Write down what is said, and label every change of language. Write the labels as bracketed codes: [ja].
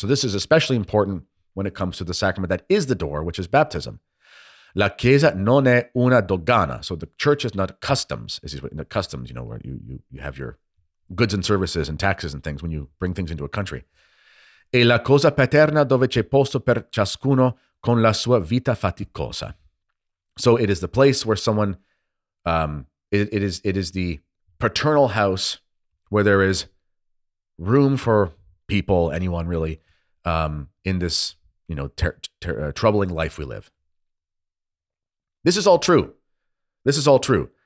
[en] So this is especially important when it comes to the sacrament that is the door, which is baptism. [it] La Chiesa non è una dogana. [en] So the church is not customs. This is what, in the customs, you know, where you have your goods and services and taxes and things when you bring things into a country. [it] E la cosa paterna dove c'è posto per ciascuno con la sua vita faticosa. [en] So it is the place where someone, it is the paternal house where there is room for people, anyone really, in this, you know, troubling life we live. This is all true. This is all true.